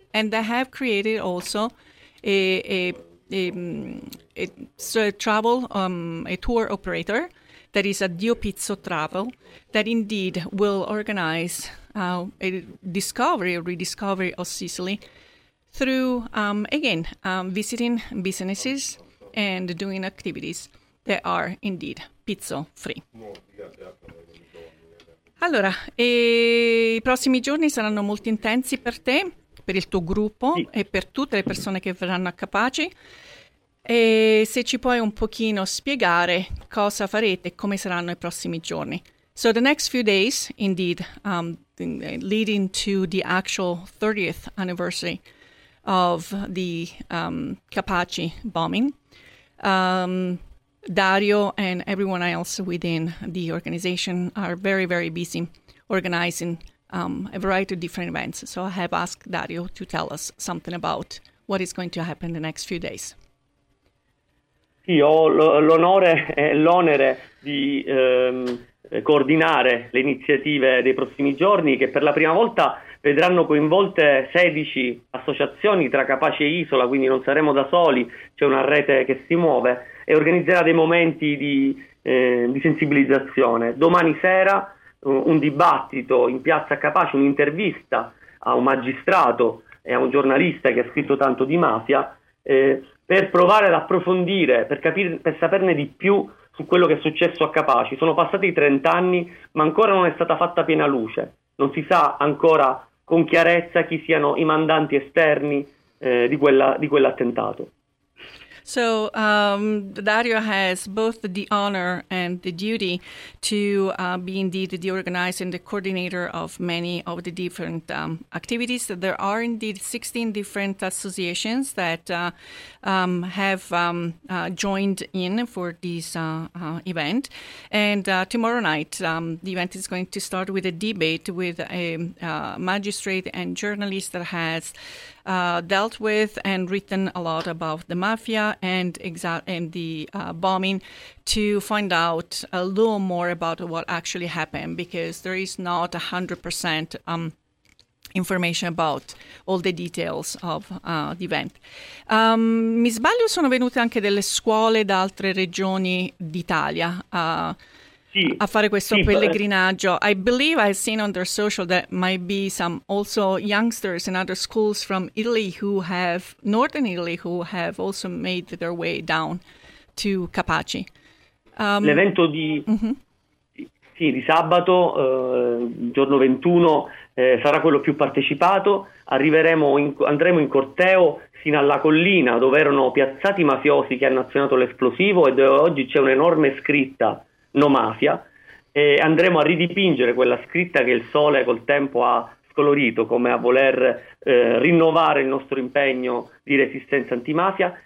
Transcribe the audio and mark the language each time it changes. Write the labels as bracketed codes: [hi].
[en] And they have created also a tour operator that is a Dio Pizzo Travel that indeed will organize a discovery or rediscovery of Sicily through, visiting businesses and doing activities that are indeed pizzo free. [it] Allora, i prossimi giorni saranno molto intensi per te, per il tuo gruppo e per tutte le persone che verranno a Capaci. E se ci puoi un pochino spiegare cosa farete e come saranno i prossimi giorni. [en] So the next few days, indeed, leading to the actual 30th anniversary of the Capaci bombing, Dario and everyone else within the organization are very, very busy organizing a variety of different events. So I have asked Dario to tell us something about what is going to happen in the next few days. [it] Sì, ho l'onore e l'onere di coordinare le iniziative dei prossimi giorni, che per la prima volta vedranno coinvolte 16 associazioni tra Capaci e Isola, quindi non saremo da soli, c'è una rete che si muove e organizzerà dei momenti di sensibilizzazione. Domani sera un dibattito in piazza Capaci, un'intervista a un magistrato e a un giornalista che ha scritto tanto di mafia, per provare ad approfondire, per saperne di più su quello che è successo a Capaci. Sono passati 30 anni, ma ancora non è stata fatta piena luce. Non si sa ancora con chiarezza chi siano i mandanti esterni di quell'attentato. [en] So Dario has both the honor and the duty to be indeed the organizer and the coordinator of many of the different activities. There are indeed 16 different associations that have joined in for this event. And tomorrow night, the event is going to start with a debate with a magistrate and journalist that has dealt with and written a lot about the mafia and the bombing, to find out a little more about what actually happened, because there is not 100% information about all the details of the event. [it] Mi sbaglio, sono venute anche delle scuole da altre regioni d'Italia a fare questo pellegrinaggio. [en] I believe I've seen on their social that might be some also youngsters in other schools from Italy who have, northern Italy, who have also made their way down to Capaci. [it] L'evento di, sì, di sabato, giorno 21, sarà quello più partecipato. Andremo in corteo fino alla collina dove erano piazzati i mafiosi che hanno azionato l'esplosivo e dove oggi c'è un'enorme scritta No Mafia, e andremo a ridipingere quella scritta che il sole col tempo ha scolorito, come a voler rinnovare il nostro impegno di resistenza antimafia.